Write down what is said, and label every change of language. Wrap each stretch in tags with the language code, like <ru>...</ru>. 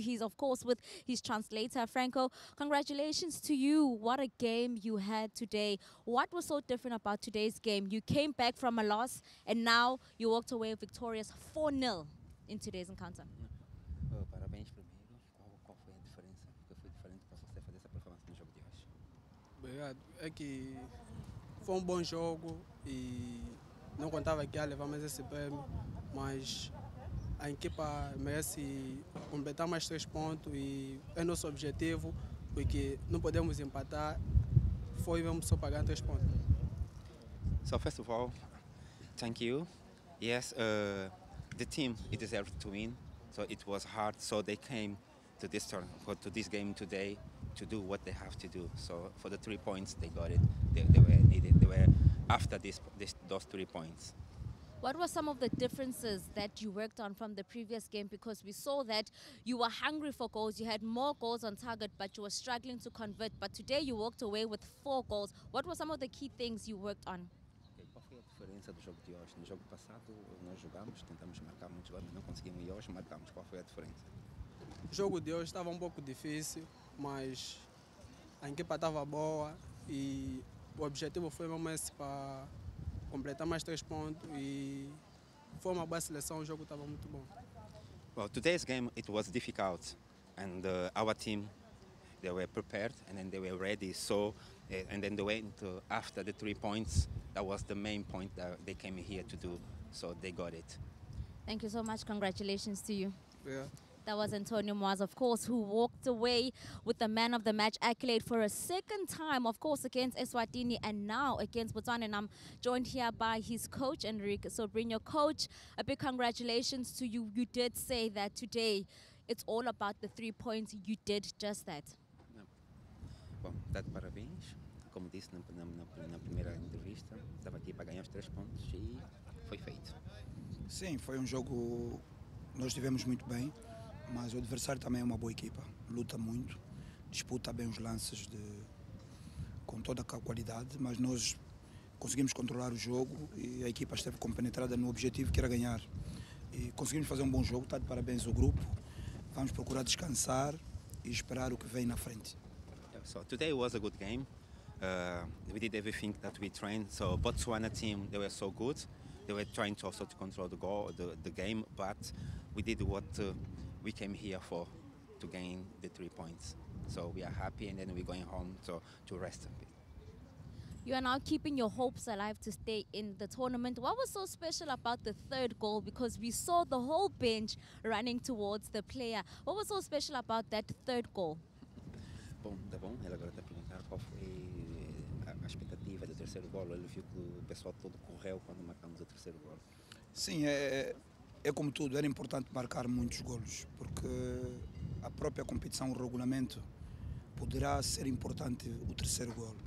<en>He's, of course, with his translator, Franco. Congratulations to you. What a game you had today. What was so different about today's game? You came back from a loss, and now you walked away victorious 4-0 in today's encounter.</en> <pt>Parabéns primeiro. Qual foi a diferença? Porque foi diferente para você fazer essa performance no jogo de hoje. Obrigado. É que foi um bom jogo e não contava que ia levar mais esse prêmio, mas a equipa merece completar mais 3 pontos e é nosso objetivo, porque não podemos empatar. Foi vamos só pagar 3 pontos.</pt> <en>So first of all, thank you. Yes, the team it deserves to win. So it was hard. So they came to this turn, to this game today, to do what they have to do. So for the 3 points, they got it. They were needed. They were after those 3 points. What were some of the differences that you worked on from the previous game? Because we saw that you were hungry for goals. You had more goals on target, but you were struggling to convert. But today you walked away with 4 goals. What were some of the key things you worked on?</en> <pt>A diferença do jogo de hoje? No jogo passado nós jogamos, tentamos marcar muitos gols, mas não conseguimos, e hoje marcamos. Qual foi a diferença? O jogo de hoje estava um pouco difícil, mas a equipa estava boa e o objetivo foi mesmo esse, para completar mais 3 pontos, e foi uma boa seleção, o jogo estava muito bom.</pt> <en>Well, today's game it was difficult, and our team they were prepared and then they were ready, so and then they went after the 3 points. That was the main point that they came here to do, so they got it. Thank you so much. Congratulations to you. Yeah. That was Antonio Mwanza, of course, who walked away with the man of the match accolade for a second time, of course, against Eswatini and now against Botswana. And I'm joined here by his coach, Enrique. So bring your coach. A big congratulations to you. You did say that today it's all about the 3 points. You did just that. Yeah. Well, that parabéns.</en> <pt>Como disse na primeira entrevista, estava aqui para ganhar os 3 pontos e foi feito. Sim, foi um jogo, nós estivemos muito bem, mas o adversário também é uma boa equipa. Luta muito, disputa bem os lances com toda a qualidade, mas nós conseguimos controlar o jogo e a equipa esteve compenetrada no objetivo que era ganhar. E conseguimos fazer um bom jogo, está de parabéns o grupo. Vamos procurar descansar e esperar o que vem na frente.</pt> <en>So, today was a good game. We did everything that we trained. So Botswana team, they were so good. They were trying to also to control the goal, the game. But we did what we came here for, to gain the 3 points. So we are happy, and then we're going home to rest a bit. You are now keeping your hopes alive to stay in the tournament. What was so special about the 3rd goal? Because we saw the whole bench running towards the player. What was so special about that 3rd goal?</en> <pt>Bom, tá bom. Ele agora está perguntando qual foi a expectativa do 3º gol. Ele viu que o pessoal todo correu quando marcamos o 3º gol. Sim, é como tudo. Era importante marcar muitos golos, porque a própria competição, o regulamento, poderá ser importante o 3º gol.</pt>